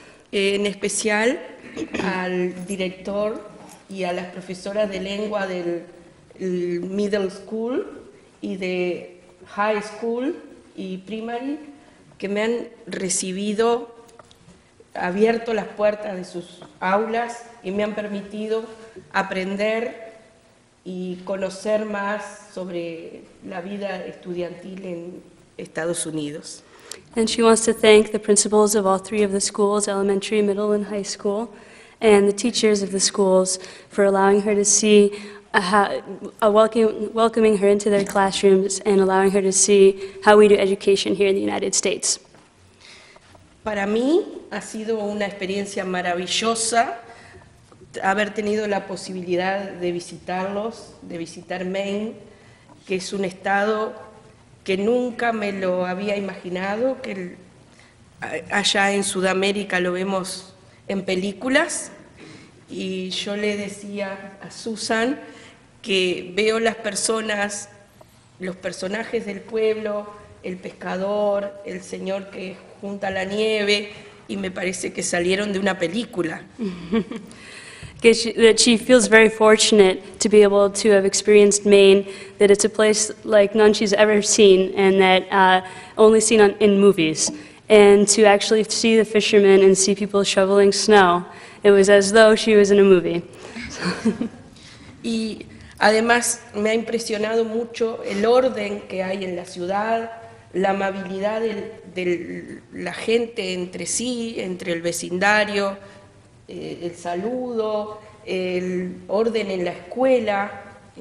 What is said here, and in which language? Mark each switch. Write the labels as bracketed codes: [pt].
[es] En especial al director y a las profesoras de lengua del [en] middle school [es] y de [en] high school y primary, [es] que me han recibido, abierto las puertas de sus aulas y me han permitido aprender y conocer más sobre la vida estudiantil en Estados Unidos. [en] And she wants to thank the principals of all three of the schools, elementary, middle, and high school, and the teachers of the schools for allowing her to see welcoming her into their classrooms and allowing her to see how we do education here in the United States. [es] Para mí ha sido una experiencia maravillosa haber tenido la posibilidad de visitarlos, de visitar Maine, que es un estado que nunca me lo había imaginado, que allá en Sudamérica lo vemos en películas. Y yo le decía a Susan que veo las personas, los personajes del pueblo, el pescador, el señor que junta la nieve, y me parece que salieron de una película. [en] That she feels very fortunate to be able to have experienced Maine, that it's a place like none she's ever seen, and that only seen in movies. And to actually see the fishermen and see people shoveling snow, it was as though she was in a movie. [es] Y además me ha impresionado mucho el orden que hay en la ciudad, la amabilidad de la gente entre sí, entre el vecindario, el saludo, el orden en la escuela,